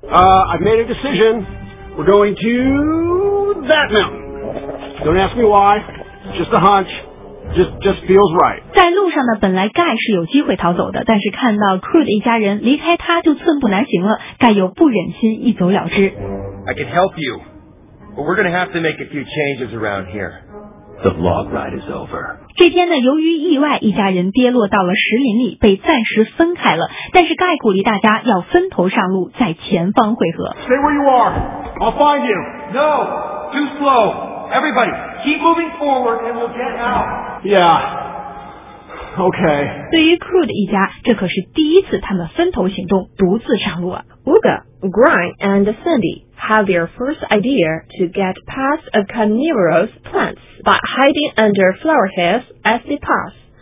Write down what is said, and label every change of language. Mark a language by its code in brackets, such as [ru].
[en] I've made a decision. We're going to that mountain. Don't ask me why. Just a hunch. Just feels right. [zh] 在路上呢，本来盖是有机会逃走的，但是看到 Cruz 一家人离开他就寸步难行了，盖又不忍心一走了之。 [en] I can help you, but we're going to have to make a few changes around here. The log ride is over. [zh] 这天呢，由于意外，一家人跌落到了石林里，被暂时分开了。但是盖鼓励大家要分头上路，在前方汇合。 [en] Stay where you are. I'll find you. No, too slow. Everybody, keep moving forward and we'll get out. Yeah, okay. [zh] 对于 Cruz 一家，这可是第一次他们分头行动，独自上路啊。 [en] Uga, Grind, and Sandy have their first idea to get past a carnivorous plant by hiding under flower heads as they pass.